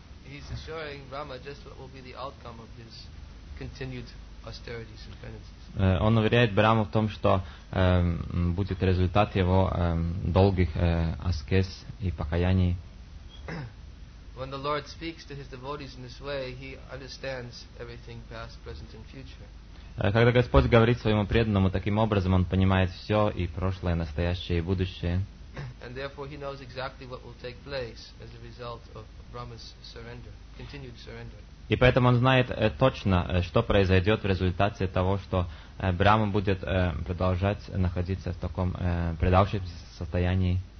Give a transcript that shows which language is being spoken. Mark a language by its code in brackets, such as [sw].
[en] He's assuring Brahma just what will be the outcome of his continued austerities and penances. [ru] Он уверяет Браму в том, что будет результат его долгих аскез и покаяний. [en] When the Lord speaks to his devotees in this way, he understands everything past, present, and future. [ru] Когда Господь говорит своему преданному таким образом, он понимает все, и прошлое, настоящее, и будущее. [en] And therefore he knows exactly what will take place as a result of Brahma's surrender, continued surrender. [ru] И поэтому он знает точно, что произойдет в результате того, что Брахма будет продолжать находиться в таком предавшемся состоянии.